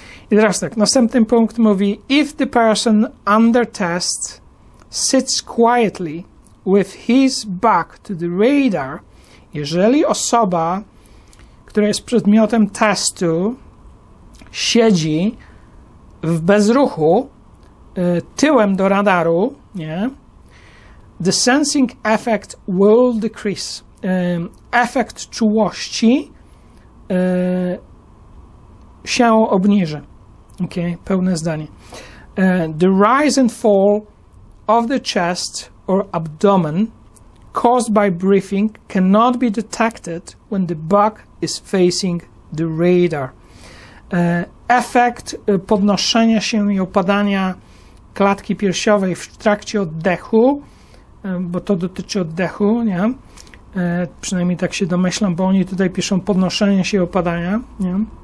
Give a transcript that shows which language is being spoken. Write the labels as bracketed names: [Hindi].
[Polish] I teraz tak, następny punkt mówi, [English] if the person under test sits quietly with his back to the radar, [Polish] jeżeli osoba, która jest przedmiotem testu, siedzi w bezruchu tyłem do radaru, nie? [English] The sensing effect will decrease. [Polish] Efekt czułości się obniży. Okay, pełne zdanie. [English] The rise and fall of the chest or abdomen caused by breathing cannot be detected when the bug is facing the radar. [Polish] Efekt podnoszenia się i opadania klatki piersiowej w trakcie oddechu, bo to dotyczy oddechu, nie? Przynajmniej tak się domyślam, bo oni tutaj piszą podnoszenie się i opadania, nie?